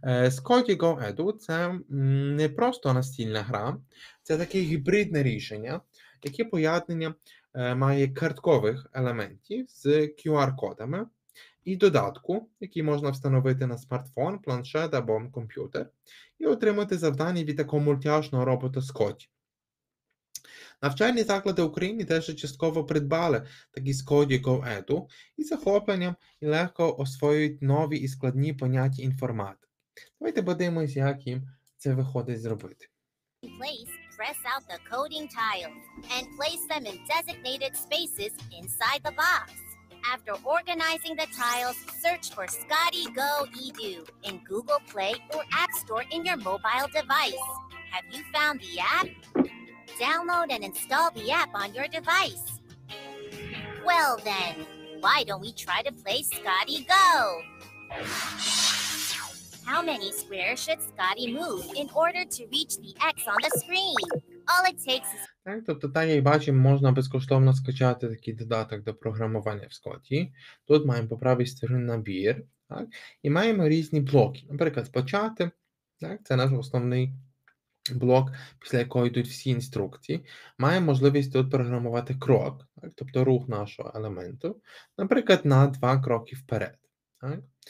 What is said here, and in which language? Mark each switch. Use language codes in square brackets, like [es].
[uk] Scotty Go Edu – це не просто настільна гра, це таке гібридне рішення, яке поєднання має карткових елементів з QR-кодами і додатку, який можна встановити на смартфон, планшет або комп'ютер, і отримати завдання від такого мультяшного робота Scotty. Навчальні заклади України теж частково придбали такі Scotty Go Edu і захопленням і легко освоюють нові і складні поняття інформатики. Давайте подивимось, як їм це виходить зробити. [en] Place, press out the coding tiles and place them in designated spaces inside the box. After organizing the tiles, search for Scotty Go Edu in Google Play or App Store in your mobile device. Have you found the app? Download and install the app on your device. Well then, why don't we try to play Scotty Go? How many squares should Scotty move in order to reach the X on the screen? All it takes is... [uk] Так, тобто, так як бачимо, можна безкоштовно скачати такий додаток до програмування в Scotty. Тут маємо по правій стороні набір, так? І маємо різні блоки. Наприклад, почати, так? Це наш основний блок, після якого йдуть всі інструкції, має можливість тут програмувати крок, так, тобто рух нашого елементу, наприклад, на 2 кроки вперед. Так.